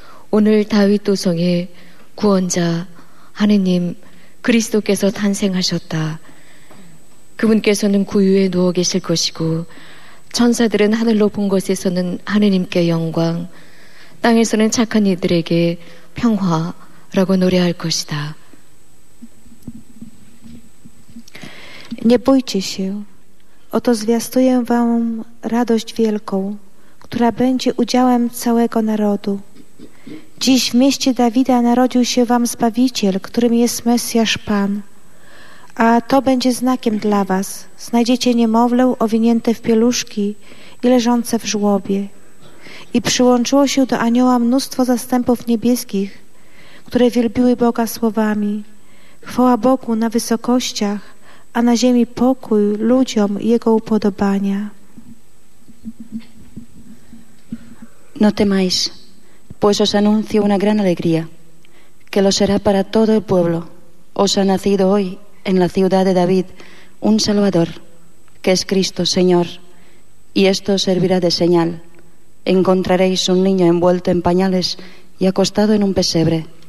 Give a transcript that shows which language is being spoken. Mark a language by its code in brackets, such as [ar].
[ko] 오늘 다윗 도성에 구원자 하느님 그리스도께서 탄생하셨다. 그분께서는 구유에 누워 계실 것이고 천사들은 하늘로 본 곳에서는 하느님께 영광, 땅에서는 착한 이들에게 평화라고 노래할 것이다. [pl] Nie bójcie się. Oto zwiastuję wam radość wielką, która będzie udziałem całego narodu. Dziś w mieście Dawida narodził się wam Zbawiciel, którym jest Mesjasz Pan. A to będzie znakiem dla was. Znajdziecie niemowlę owinięte w pieluszki i leżące w żłobie. I przyłączyło się do anioła mnóstwo zastępów niebieskich, które wielbiły Boga słowami: chwała Bogu na wysokościach, a na ziemi pokój ludziom Jego upodobania. [es] No temáis, pues os anuncio una gran alegría, que lo será para todo el pueblo. Os ha nacido hoy, en la ciudad de David, un Salvador, que es Cristo, Señor. Y esto servirá de señal. Encontraréis un niño envuelto en pañales y acostado en un pesebre.